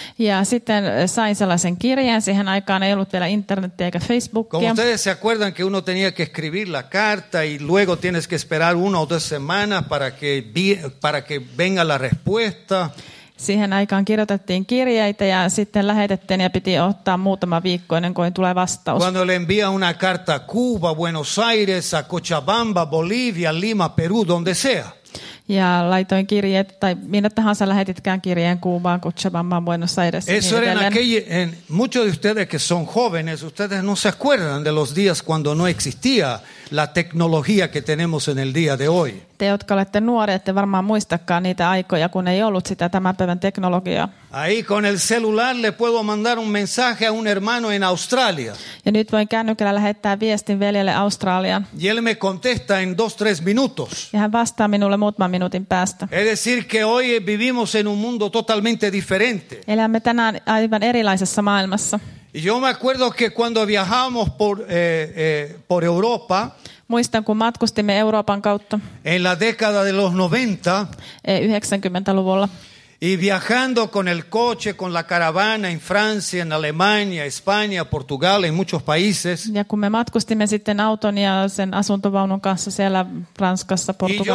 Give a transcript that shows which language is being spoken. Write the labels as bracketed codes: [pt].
[fi] Ja sitten sain sellaisen kirjeen, siihen aikaan ei ollut vielä internetiä eikä Facebookia. [es] Como ustedes se acuerdan que uno tenía que escribir la carta y luego tienes que esperar una o dos semanas para que venga la respuesta. [fi] Siihen aikaan kirjoitettiin kirjeitä ja sitten lähetettiin ja piti ottaa muutama viikko ennen kuin tulee vastaus. [es] Cuando le envía una carta a Cuba, Buenos Aires, a Cochabamba, Bolivia, Lima, Perú, donde sea. [fi] Ja laitoin kirjeet, tai minne tahansa lähetitkään kirjeen, Kuubaan, Cochabambaan, Buenos Aires. [es] Eso era en aquel, muchos de ustedes que son jóvenes, ustedes no se acuerdan de los días cuando no existía la tecnología que tenemos en el día de hoy. [fi] Te, jotka olette nuoria, ette varmaan muistakaan niitä aikoja, kun ei ollut sitä tämän päivän teknologiaa. [es] Ahí con el celular le puedo mandar un mensaje a un hermano en Australia. [fi] Ja nyt voin kännykällä lähettää viestin veljelle Australiaan. [es] Y él me contesta en 2-3 minutos. [fi] Ja hän vastaa minulle muutaman minuutin päästä. [es] Es decir que hoy vivimos en un mundo totalmente diferente. [fi] Elämme tänään aivan erilaisessa maailmassa. [es] Y yo me acuerdo que cuando viajamos por Europa. [fi] Muistan, kun matkustimme Euroopan kautta. [es] En la década de los 90. [fi] 90-luvulla. [es] Y viajando con el coche, con la caravana en Francia, en Alemania, España, Portugal, en muchos países. [fi] Ja kun me matkustimme sitten auton ja sen asuntovaunun kanssa siellä Ranskassa, Portugalissa.